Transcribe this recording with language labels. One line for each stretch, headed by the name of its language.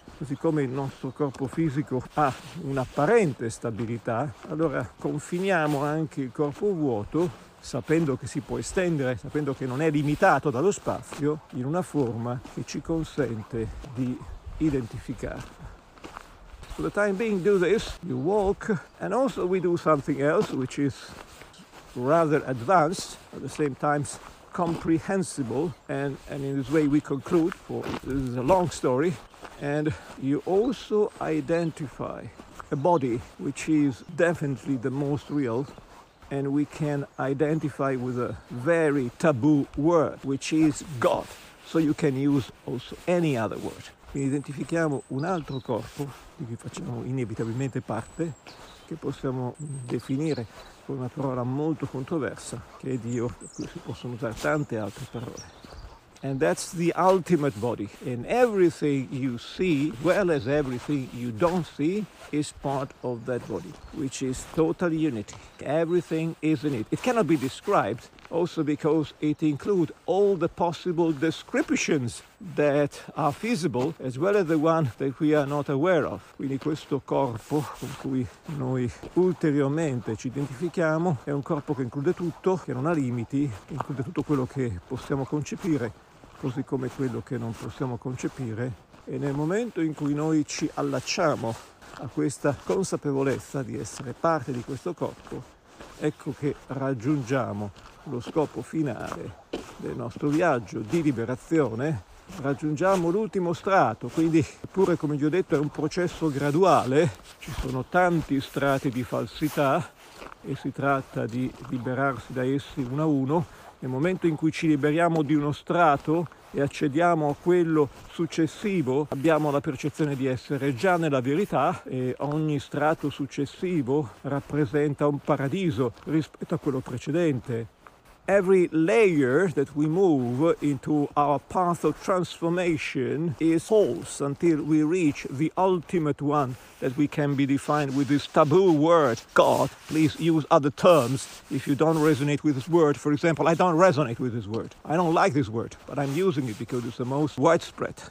Italian: Così come il nostro corpo fisico ha un'apparente stabilità, allora confiniamo anche il corpo vuoto, sapendo che si può estendere, sapendo che non è limitato dallo spazio, in una forma che ci consente di identificare.
English: For the time being do this, you walk, and also we do something else which is rather advanced, at the same time comprehensible, and in this way we conclude, for this is a long story, and you also identify a body which is definitely the most real, and we can identify with a very taboo word, which is God, so you can use also any other word.
Italian: Quindi identifichiamo un altro corpo, di cui facciamo inevitabilmente parte, che possiamo definire con una parola molto controversa, che è Dio, per cui si possono usare tante altre parole.
English: And that's the ultimate body. And everything you see, well as everything you don't see, is part of that body, which is total unity. Everything is in it. It cannot be described, also because it includes all the possible descriptions that are feasible, as well as the one that we are not aware of.
Italian: Quindi questo corpo con cui noi ulteriormente ci identifichiamo è un corpo che include tutto, che non ha limiti, che include tutto quello che possiamo concepire, così come quello che non possiamo concepire. E nel momento in cui noi ci allacciamo a questa consapevolezza di essere parte di questo corpo, ecco che raggiungiamo lo scopo finale del nostro viaggio di liberazione, raggiungiamo l'ultimo strato. Quindi, eppure come vi ho detto, è un processo graduale, ci sono tanti strati di falsità e si tratta di liberarsi da essi uno a uno. Nel momento in cui ci liberiamo di uno strato e accediamo a quello successivo, abbiamo la percezione di essere già nella verità, e ogni strato successivo rappresenta un paradiso rispetto a quello precedente.
English: Every layer that we move into our path of transformation is false until we reach the ultimate one that we can be defined with this taboo word, God. Please use other terms if you don't resonate with this word. For example, I don't resonate with this word. I don't like this word, but I'm using it because it's the most widespread.